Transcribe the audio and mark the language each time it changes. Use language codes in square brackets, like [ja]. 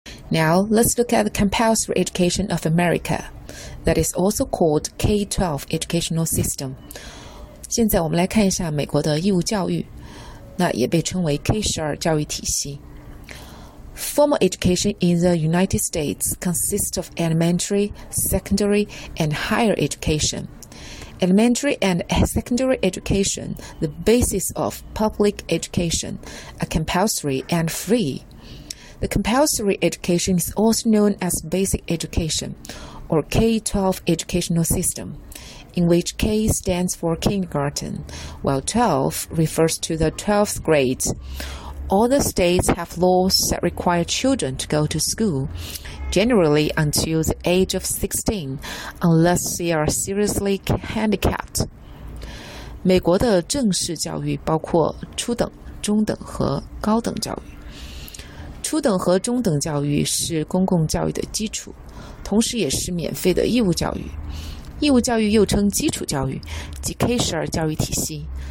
[en] Now, let's look at the compulsory education of America, that is also called K-12 educational system. [zh] 现在我们来看一下美国的义务教育，那也被称为 K-12 教育体系。 [en] Formal education in the United States consists of elementary, secondary, and higher education. Elementary and secondary education, the basis of public education, are compulsory and free. The compulsory education is also known as basic education, or K-12 educational system, in which K stands for kindergarten, while 12 refers to the 12th grade. All the states have laws that require children to go to school, generally until the age of 16, unless they are seriously handicapped. [zh] 美国的正式教育包括初等、中等和高等教育。初等和中等教育是公共教育的基础，同时也是免费的义务教育。义务教育又称基础教育，即 K-12 教育体系。